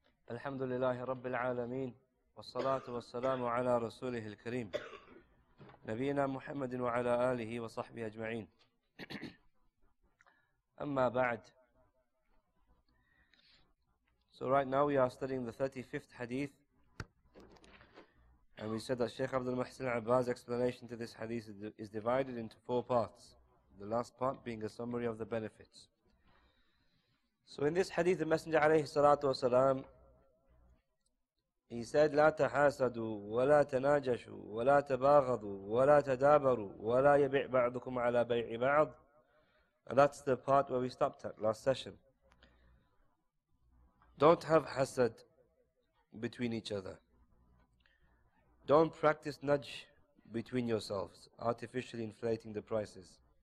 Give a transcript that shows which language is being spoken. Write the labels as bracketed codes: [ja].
[ar] الحمد لله رب العالمين، والصلاة والسلام على رسوله الكريم نبينا محمد وعلى آله وصحبه أجمعين. أما بعد، [en] so right now we are studying the 35th hadith, and we said that Sheikh Abdul Muhsin Abbas' explanation to this hadith is divided into four parts, the last part being a summary of the benefits. So in this hadith, the Messenger عليه الصلاة والسلام, he said, [ar] لا تحاسدوا ولا تناجشوا ولا تباغضوا ولا تدابروا ولا يبيع بعضكم على بيع بعض. [en] And that's the part where we stopped at last session. Don't have hasad between each other. Don't practice najsh between yourselves, artificially inflating the prices.